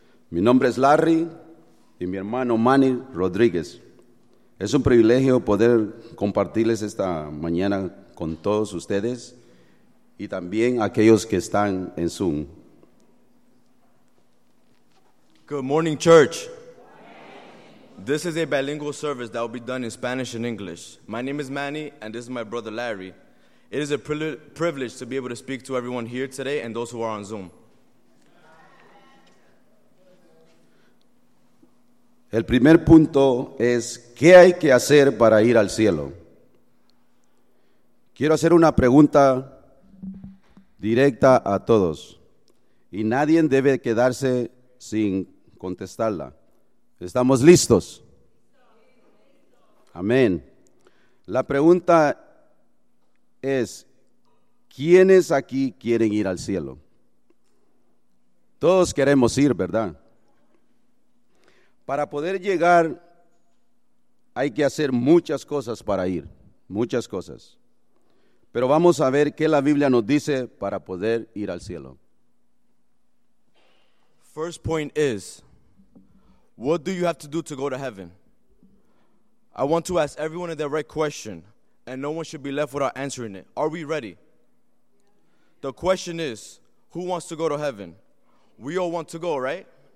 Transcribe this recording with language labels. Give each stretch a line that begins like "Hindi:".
Spanish: Mi nombre es Larry y mi hermano Manny Rodríguez. Es un privilegio poder compartirles esta mañana con todos ustedes y también aquellos que están en Zoom.
English: Good morning, church. This is a bilingual service that will be done in Spanish and English. My name is Manny, and this is my brother Larry. It is a privilege to be able to speak to everyone here today and those who are on Zoom.
Spanish: El primer punto es, ¿qué hay que hacer para ir al cielo? Quiero hacer una pregunta directa a todos, y nadie debe quedarse sin contestarla. ¿Estamos listos? Amén. La pregunta es, ¿quiénes aquí quieren ir al cielo? Todos queremos ir, ¿verdad? Para poder llegar, hay que hacer muchas cosas para ir, muchas cosas. Pero vamos a ver qué la Biblia nos dice para poder ir al cielo.
English: First point is, what do you have to do to go to heaven? I want to ask everyone a direct question, and no one should be left without answering it. Are we ready? The question is, who wants to go to heaven? We all want to go, right?